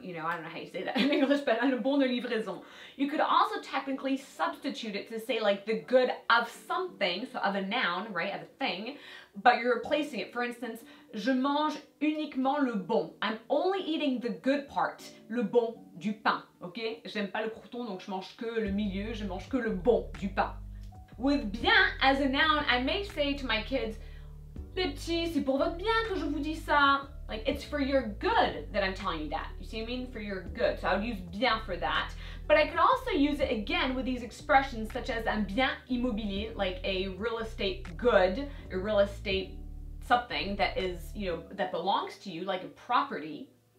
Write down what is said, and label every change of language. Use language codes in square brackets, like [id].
[en] You know, I don't know how you say that in English, but [fr] un bon de livraison. [en] You could also technically substitute it to say like the good of something, so of a noun, right, of a thing, but you're replacing it. For instance, [fr] je mange uniquement le bon. [en] I'm only eating the good part, [fr] le bon du pain, [en] okay? [fr] J'aime pas le croûton, donc je mange que le milieu, je mange que le bon du pain. [en] With bien as a noun, I may say to my kids, [fr] les petits, c'est pour votre bien que je vous dis ça. [en] Like, it's for your good that I'm telling you that. You see what I mean? For your good. So I would use bien for that. But I could also use it again with these expressions such as [fr] un bien immobilier, [en] like a real estate good, a real estate something that is, you know, that belongs to you, like a property.